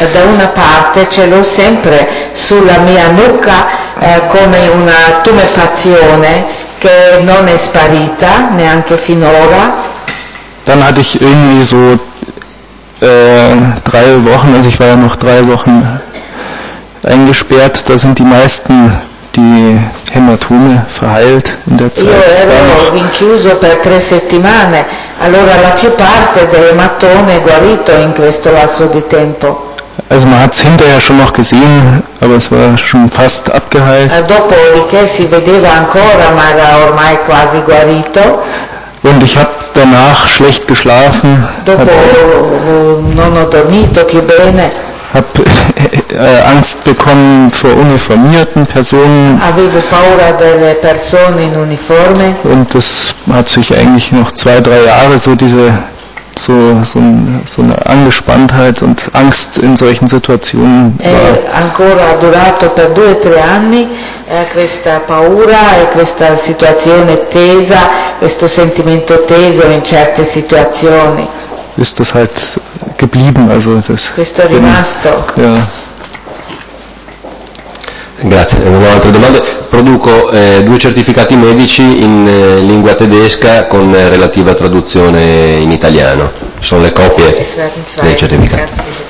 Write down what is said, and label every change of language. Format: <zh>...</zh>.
<it>Da una parte ce l'ho sempre sulla mia nuca come una tumefazione che non è sparita neanche finora.</it> <de>Dann hatte ich irgendwie so drei Wochen, also ich war ja noch drei Wochen eingesperrt, da sind die meisten die Hämatome verheilt in der Zeit.</de> <it>Io ero rinchiuso per tre settimane, allora la più parte dell'ematone è guarito in questo lasso di tempo.</it> <de>Also man hat es hinterher schon noch gesehen, aber es war schon fast abgeheilt.</de> <it>Dopo di che si vedeva ancora, ma era ormai quasi guarito.</it> <de>Und ich habe danach schlecht geschlafen.</de> <it>Dopo non ho dormito più bene.</it> <de>Habe Angst bekommen vor uniformierten Personen.</de> <it>Avevo paura delle persone in uniforme.</it> <de>Und das hat sich eigentlich noch zwei, drei Jahre so diese so eine Angespanntheit und Angst in solchen Situationen.</de> <it>Ancora durato per due, tre anni questa paura e questa situazione tesa, questo sentimento teso in certe situazioni.</it> <de>Ist das halt geblieben, also das</de> <it>questo è rimasto.</it> <de>Ja.</de> <it>Grazie, non ho altre domande. Produco due certificati medici in lingua tedesca con relativa traduzione in italiano. Sono le copie dei certificati.</it>